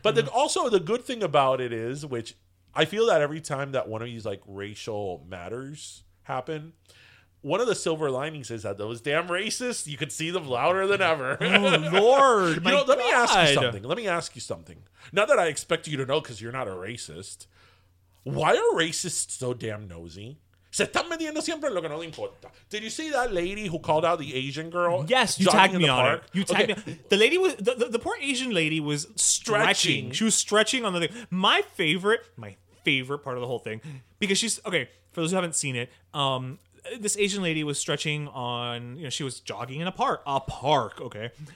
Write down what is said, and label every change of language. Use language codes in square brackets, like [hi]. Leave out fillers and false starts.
[en] But also the good thing about it is, which I feel that every time that one of these like racial matters happen, one of the silver linings is that those damn racists, you could see them louder than ever. Oh, Lord. Let me ask you something. Not that I expect you to know because you're not a racist. Why are racists so damn nosy? [es] Se están metiendo siempre en lo que no le importa. [en] Did you see that lady who called out the Asian girl? Yes, you tagged me on it. You tagged me. The lady was the poor Asian lady was stretching. She was stretching on the thing. My favorite part of the whole thing. Because she's okay, for those who haven't seen it, this Asian lady was stretching on, you know, she was jogging in a park, okay?